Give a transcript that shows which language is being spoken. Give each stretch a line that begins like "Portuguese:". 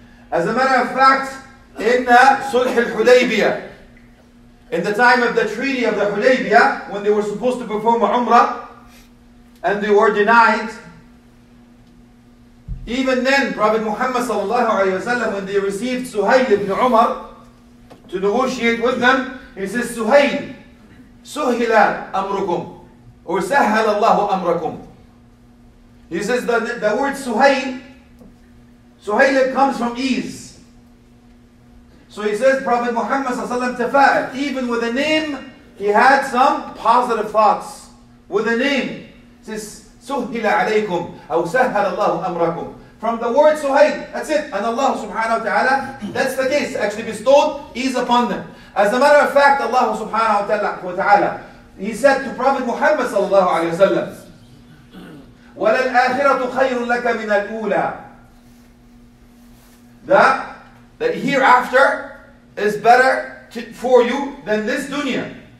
English: As a matter of fact, in Sulh al-Hudaybiyah, in the time of the Treaty of the Hudaybiyah, when they were supposed to perform a Umrah, and they were denied, even then, Prophet Muhammad sallallahu alayhi wa sallam, when they received Suhail ibn Umar to negotiate with them, he says, Suhail, suhila amrukum, or sahhal Allahu amrukum. He says, the word Suhail comes from ease. So he says, Prophet Muhammad sallallahu alayhi wa sallam, tafa'al, even with a name, he had some positive thoughts. With a name, he says,
Arabic: سُهِّلَ عَلَيْكُمْ أَوْ سَهَّلَ اللَّهُ أَمْرَكُمْ.
English: From the word Suhail, that's it. And Allah subhanahu wa ta'ala, that's the case, actually bestowed ease upon them. As a matter of fact, Allah subhanahu wa ta'ala, He said to Prophet Muhammad sallallahu alayhi wa sallam,
Arabic: وَلَلْآخِرَةُ خَيْرٌ لَكَ مِنَ الْأُولَى
English: That hereafter is better for you than this dunya.